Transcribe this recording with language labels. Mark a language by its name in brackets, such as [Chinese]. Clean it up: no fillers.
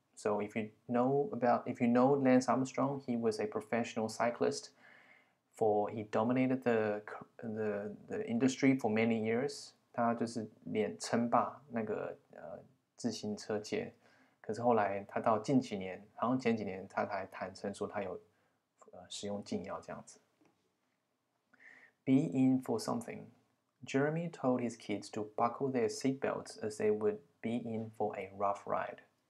[English] So if you know Lance Armstrong, he was a professional cyclist. He dominated the industry for many years. [Chinese] 他就是连称霸那个自行车界。可是后来他到近几年，好像前几年他才坦承说他有使用禁药这样子。 [English] Be in for something. Jeremy told his kids to buckle their seatbelts as they would be in for a rough ride.